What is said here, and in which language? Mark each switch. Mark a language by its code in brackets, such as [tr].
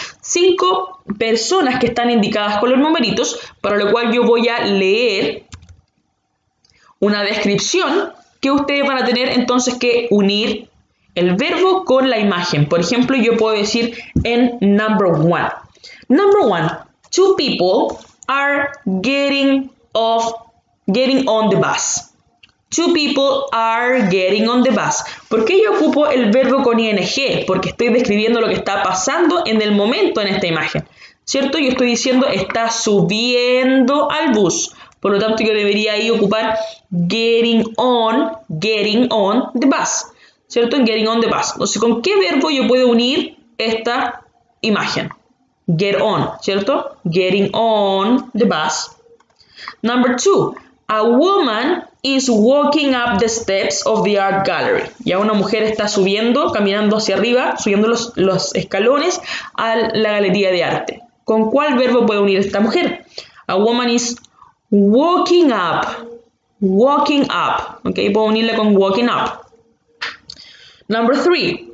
[es] Cinco personas que están indicadas con los numeritos, para lo cual yo voy a leer una descripción que ustedes van a tener entonces que unir el verbo con la imagen. Por ejemplo, yo puedo decir en [en] number one. Number one, two people are getting on the bus. Two people are getting on the bus. [es] ¿Por qué yo ocupo el verbo con ing? Porque estoy describiendo lo que está pasando en el momento en esta imagen, ¿cierto? Yo estoy diciendo está subiendo al bus. Por lo tanto, yo debería ahí ocupar [en] getting on the bus, [es] ¿cierto? Getting on the bus. Entonces, ¿con qué verbo yo puedo unir esta imagen? [en] Get on, [es] ¿cierto? [en] Getting on the bus. Number two. A woman is walking up the steps of the art gallery. [es] Ya una mujer está subiendo, caminando hacia arriba, subiendo los escalones a la galería de arte. ¿Con cuál verbo puede unir esta mujer? [en] A woman is walking up. Walking up. Ok, [es] puedo unirla con [en] walking up. Number three.